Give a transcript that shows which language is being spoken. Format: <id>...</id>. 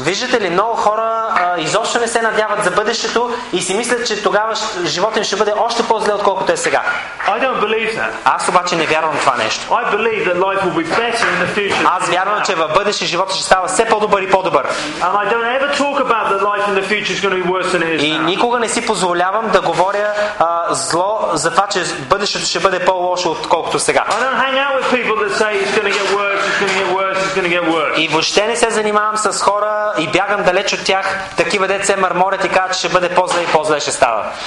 <bg>Виждате ли, много хора изобщо не се надяват за бъдещето и си мислят, че тогава животът им ще бъде още по-зле, отколкото е сега.</bg> <en>I don't believe that.</en> <bg>Аз обаче не вярвам в това нещо.</bg> <en>I believe that life will be better in the future.</en> <bg>Аз вярвам, че в бъдеще животът ще става все по-добър и по-добър.</bg> <en>And I don't ever talk about that life in the future is going to be worse than it is now.</en> <bg>И никога не си позволявам да говоря зло за това, че бъдещето ще бъде по-лошо, отколкото сега.</bg> <en>I don't hang out with people that say it's going to get worse.</en> <bg>И въобще не се занимавам с хора и бягам далеч от тях, такива деца мърморят и казват, че ще бъде по-зле и по-зле ще става.</bg>